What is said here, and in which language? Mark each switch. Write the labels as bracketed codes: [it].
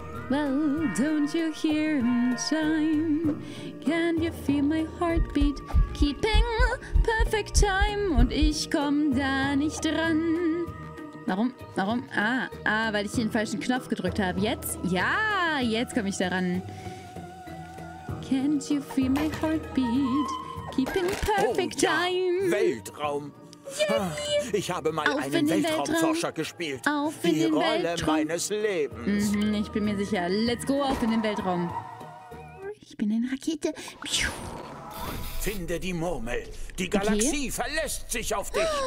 [en] Well, don't you hear them chime? Can you feel my heartbeat keeping perfect time? [de] Und ich komme da nicht ran. Warum? Weil ich den falschen Knopf gedrückt habe. Jetzt? Ja, jetzt komme ich da ran. [en] Can't you feel my heartbeat keeping perfect time? [de] Weltraum. Yay. Ich habe mal auf einen Weltraumforscher gespielt. Auf die in den Rolle Weltraum. Meines Lebens. Mhm, ich bin mir sicher. [en] Let's go [de] auf in den Weltraum. Ich bin eine Rakete. Pew. Finde die Murmel. Die Galaxie verlässt sich auf dich.